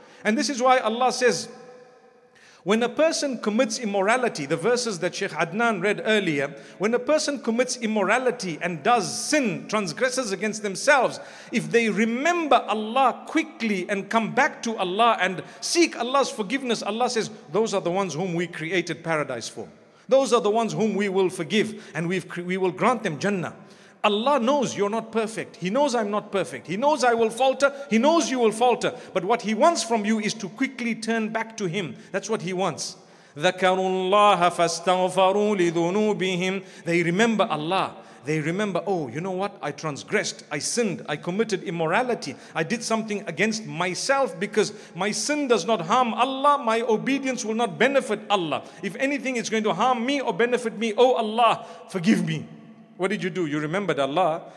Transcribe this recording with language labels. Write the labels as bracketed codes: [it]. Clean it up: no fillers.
[en] And this is why Allah says, when a person commits immorality, the verses that Sheikh Adnan read earlier, when a person commits immorality and does sin, transgresses against themselves, if they remember Allah quickly and come back to Allah and seek Allah's forgiveness, Allah says, those are the ones whom we created paradise for. Those are the ones whom we will forgive and we will grant them Jannah. Allah knows you're not perfect. He knows I'm not perfect. He knows I will falter. He knows you will falter. But what He wants from you is to quickly turn back to Him. That's what He wants. [ar] ذكروا الله فاستغفروا لذنوبهم. [en] They remember Allah. They remember, oh, you know what? I transgressed, I sinned, I committed immorality. I did something against myself because my sin does not harm Allah. My obedience will not benefit Allah. If anything, it's going to harm me or benefit me. Oh Allah, forgive me. What did you do? You remembered Allah.